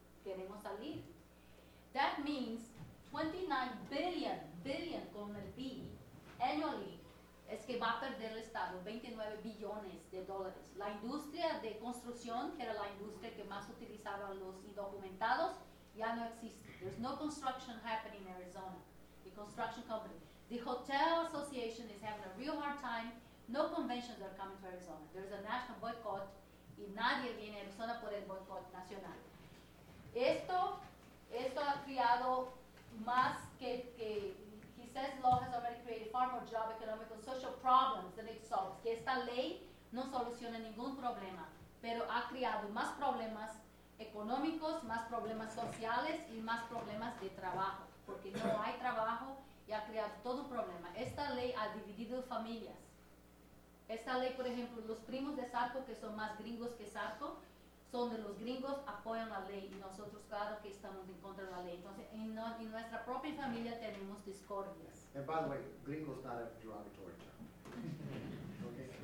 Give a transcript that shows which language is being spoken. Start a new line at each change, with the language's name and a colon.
Spanish: Queremos salir.
English: That means 29 billion
Spanish: con el B, annually, es que va a perder el estado, 29 billones de dólares. La industria de construcción, que era la industria que más utilizaban los indocumentados, ya no existe.
English: There's no construction happening in Arizona. The construction company. The hotel association is having a real hard time. No conventions are coming to Arizona. There's a national boycott.
Spanish: Y nadie viene a Arizona por el boycott nacional. Esto ha creado más que
English: he says law has already created far more job, economic, and social problems than it solves.
Spanish: Que esta ley no soluciona ningún problema, pero ha creado más problemas económicos, más problemas sociales y más problemas de trabajo, porque no hay trabajo y ha creado todo un problema. Esta ley ha dividido familias. Esta ley, por ejemplo, los primos de Sarko, que son más gringos que Sarko, son de los gringos, apoyan la ley y nosotros, claro, que estamos en contra de la ley. Entonces, en nuestra propia familia tenemos discordias.
English: And by the way, gringos not a derogatory term.